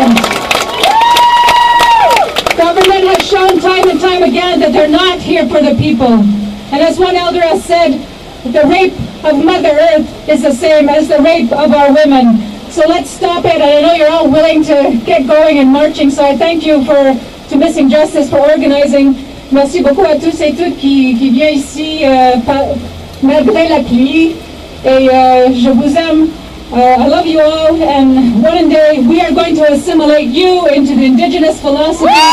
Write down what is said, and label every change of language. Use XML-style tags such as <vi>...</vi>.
<en>Government has shown time and time again that they're not here for the people. And as one elder has said, the rape of Mother Earth is the same as the rape of our women. So let's stop it. And I know you're all willing to get going and marching. So I thank you to Missing Justice for organizing.</en> <fr>Merci beaucoup à tous et toutes qui viennent ici malgré la pluie. Et je vous aime.</fr> <en>I love you all, and one day we are going to assimilate you into the indigenous philosophy.</en>